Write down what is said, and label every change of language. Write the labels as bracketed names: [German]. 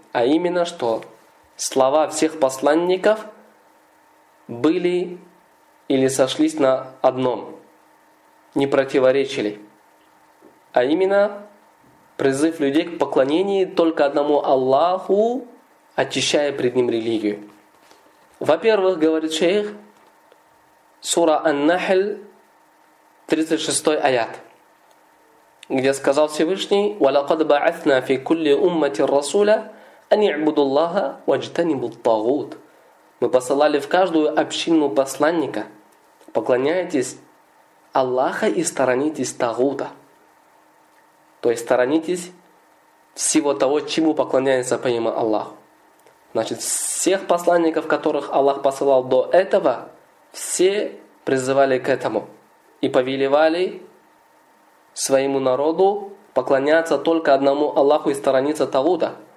[Russian] А именно, что слова всех посланников были или сошлись на одном, не противоречили. А именно, призыв людей к поклонению только одному Аллаху, очищая пред ним религию. Во-первых, говорит шейх, сура Ан-Нахль, 36 аят, где сказал Всевышний: [Arabic] وَلَقَدْ بَعَثْنَا فِي كُلِّ أُمَّةِ الرَّسُولَ أَنِ اعْبُدُ اللَّهَ وَاجْتَنِبُ الطَّغُوتِ. [Russian] Мы посылали в каждую общину посланника: поклоняйтесь Аллаха и сторонитесь тагута. То есть сторонитесь всего того, чему поклоняется помимо Аллаха. Значит, всех посланников, которых Аллах посылал до этого, все призывали к этому и повелевали своему народу поклоняться только одному Аллаху и сторониться Тагута.